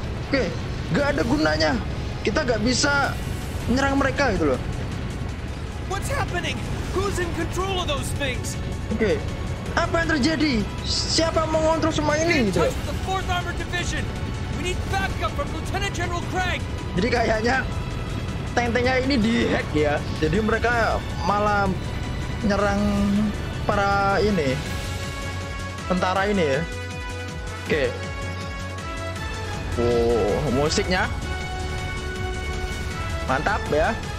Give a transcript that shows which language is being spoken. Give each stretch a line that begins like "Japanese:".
Indonesian: Oke, enggak ada gunanya. Kita gak bisa menyerang mereka gitu loh.
English: What's happening? Who's in control of those things?
Indonesian: Oke. Apa yang terjadi? Siapa mengontrol semua ini gitu?
English: The 4th Armored Division. We need backup from Lieutenant General Craig.
Indonesian: Jadi kayaknya tank-tanknya ini dihack ya. Jadi mereka malah menyerang para ini. Tentara ini ya. Oke. Wow, musiknya mantap ya.